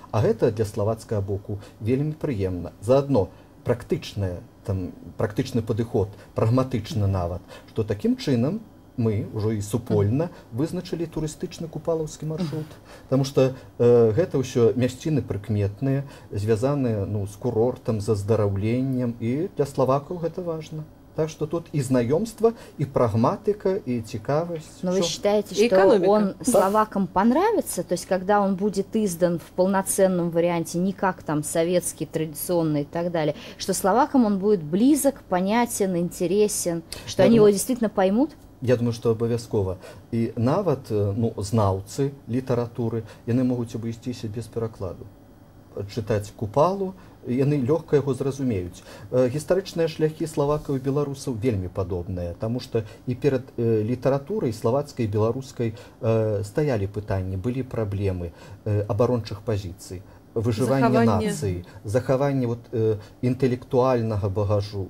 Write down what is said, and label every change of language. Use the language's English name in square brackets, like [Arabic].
[Belarusian] А гэта для славацкага боку вельмі прыемна. Заадно практычная, там практычны падыход, прагматычны нават, што такім чынам мы ўжо і супольна вызначылі турыстычны купалаўскі маршрут. Таму што гэта ўсё мясціны прыкметныя, звязаныя, ну, з курортам, з аздараўленнем, і для славакаў гэта важна. Так што тут і знаёмства, і прагматыка, і цікавасць. [Russian] Но вы считаете, что он словакам понравится? То есть, когда он будет издан в полноценном варианте, не как там советский, традиционный и так далее, что словакам он будет близок, понятен, интересен, что они его действительно поймут? [Belarusian] Я думаю, што абавязкова. І нават, ну, знаўцы літаратуры, яны могуць абысціся без перакладу. Чытаць купалу, яны лёгка яго зразумеюць. Гістарычныя шляхі славакаў і беларусаў вельмі падобныя, таму што і перад літаратурай славацкай і беларускай стаялі пытанні, былі праблемы абарончых пазіцый, выжывання нацыі, захавання вот інтэлектуальнага багажу.